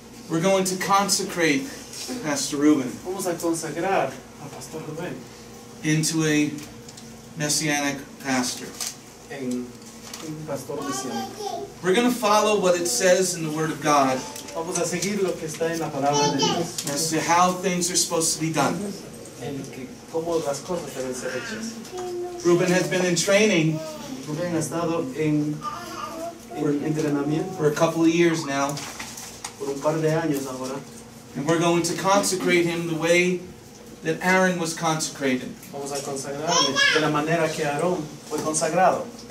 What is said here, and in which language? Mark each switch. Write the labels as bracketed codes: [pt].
[en] We're going to consecrate Pastor Ruben. [es] Vamos a consagrar a Pastor Ruben. [en] Into a Messianic pastor. [es] En pastor mesiánico. [en] We're going to follow what it says in the Word of God. [es] Vamos a seguir lo que está en la palabra de Dios. [en] As to how things are supposed to be done. [es] En que, cómo las cosas deben ser hechas. [en] Ruben has been in training. [es] Ruben ha estado en entrenamiento. [en] For a couple of years now. [es] Por un par de años ahora. [en] And we're going to consecrate him the way that Aaron was consecrated. [es] Vamos a consagrarle de la manera que Aarón fue consagrado.